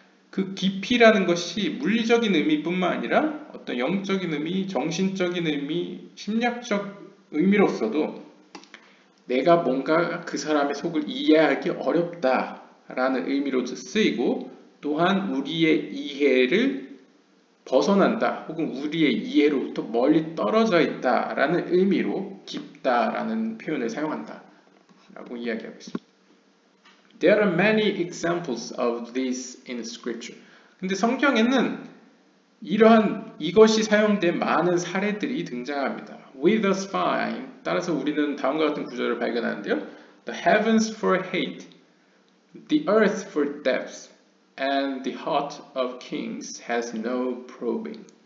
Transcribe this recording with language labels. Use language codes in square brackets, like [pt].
[ko] 그 깊이라는 것이 물리적인 의미뿐만 아니라 어떤 영적인 의미, 정신적인 의미, 심리학적 의미로서도 내가 뭔가 그 사람의 속을 이해하기 어렵다라는 의미로도 쓰이고 또한 우리의 이해를 벗어난다 혹은 우리의 이해로부터 멀리 떨어져 있다라는 의미로 깊다라는 표현을 사용한다 라고 이야기하고 있습니다. [en] There are many examples of this in scripture. [ko] 근데 성경에는 이러한 이것이 사용된 많은 사례들이 등장합니다. [en] With a spine. [ko] 따라서 우리는 다음과 같은 구절을 발견하는데요. [en] The heavens for height, the earth for depths, and the heart of kings has no probing.